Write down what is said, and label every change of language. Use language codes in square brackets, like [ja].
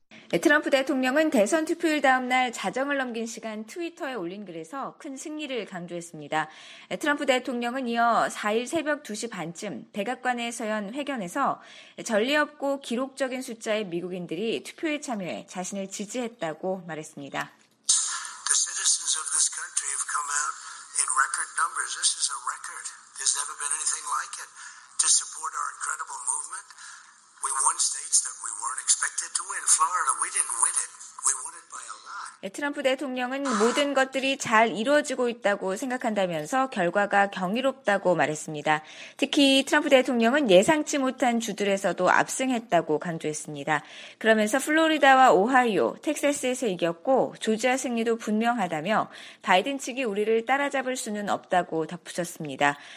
[ko] 네, 트럼프 대통령은 대선 투표일 다음 날 자정을 넘긴 시간 트위터에 올린 글에서 큰 승리를 강조했습니다. 네, 트럼프 대통령은 이어 4일 새벽 2시 반쯤 백악관에서 연 회견에서 전례 없고 기록적인 숫자의 미국인들이 투표에 참여해 자신을 지지했다고 말했습니다. [en] The citizens of this country have come out in record numbers. This is a record. There's never been anything like it to support our incredible movement. We won states that we weren't expected to win. Florida, we didn't win it. We won it by a lot. [ko] 트럼프 대통령은 모든 것들이 잘 이루어지고 있다고 생각한다면서 결과가 경이롭다고 말했습니다. 특히 트럼프 대통령은 예상치 못한 주들에서도 압승했다고 강조했습니다. 그러면서 플로리다와 오하이오, 텍사스에서 이겼고 조지아 승리도 분명하다며 바이든 측이 우리를 따라잡을 수는 없다고 덧붙였습니다.